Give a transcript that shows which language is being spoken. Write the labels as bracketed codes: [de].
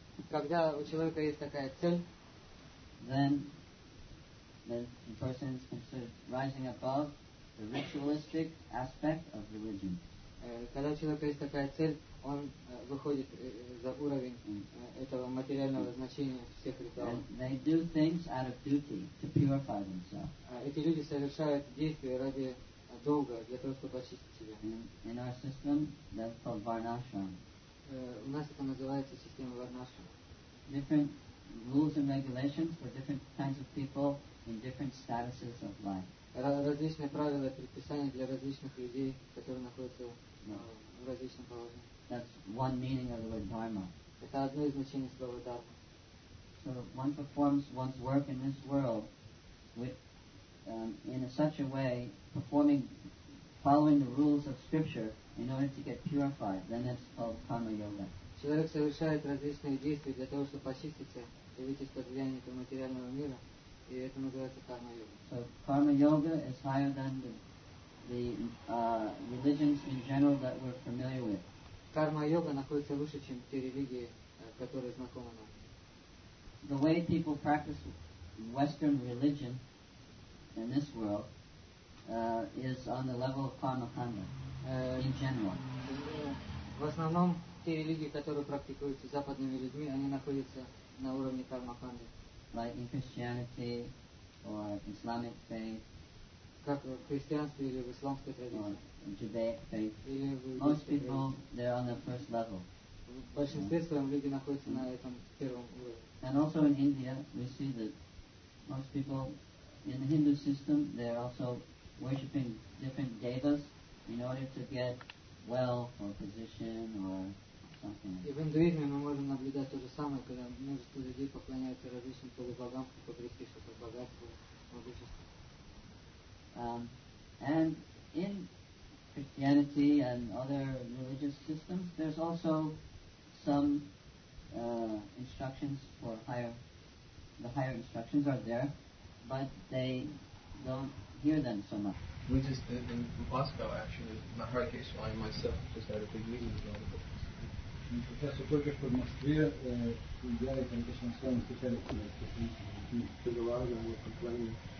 [ru] Когда у человека есть такая цель, [en] then the person is considered rising above the ritualistic aspect of religion. [ru] Когда у человека есть такая цель, он выходит за уровень этого материального значения всех ритуалов. [en] They do things out of duty to purify themselves. [ru] Эти люди совершают действия ради долга, для того, чтобы очистить себя. [en] In our system, that's called Varnashram. [ru] У нас это называется система Варнашрама. [en] Different rules and regulations for different kinds of people in different statuses of life. [ru] Различные правила и предписания для различных людей, которые находятся в различном положении. [en] That's one meaning of the word dharma. [ru] Это одно из значений слова дхарма. [en] So one performs one's work in this world with, in such a way, performing, following the rules of scripture in order to get purified, then that's called karma yoga. [ru] Человек совершает различные действия для того, чтобы очиститься и выйти из-под влияния этого материального мира. И это называется карма йога. [en] So karma yoga is higher than the religions in general that we're familiar with. [ru] Карма йога находится выше, чем те религии, которые знакомы нам. [en] The way people practice Western religion in this world is on the level of karma kanda in general. [ru] В основном те религии, которые практикуются западными людьми, они находятся на уровне карма канды. [en] Like in Christianity or Islamic faith. [ru] Как в христианстве или в исламской традиции. [en] Or Judaic faith. [ru] Или в [en] Most people, faith. They're on the first level. [ru] В большинстве своем люди находятся на этом первом уровне. [en] And also in India, we see that most people in the Hindu system, they're also worshipping different devas in order to get wealth or position or [ru] И в индуизме мы можем наблюдать то же самое, когда множество людей поклоняются различным полубогам, чтобы обрести что-то богатство, могущество. [en] And in Christianity and other religious systems, there's also some instructions for higher. The higher instructions are there, but they don't hear them so much. We just in Moscow, actually, Maharaj Swami myself just had a big meeting with all the people. [ru] Профессор только что в Москве я и конечно с вами встречались на его поклонение.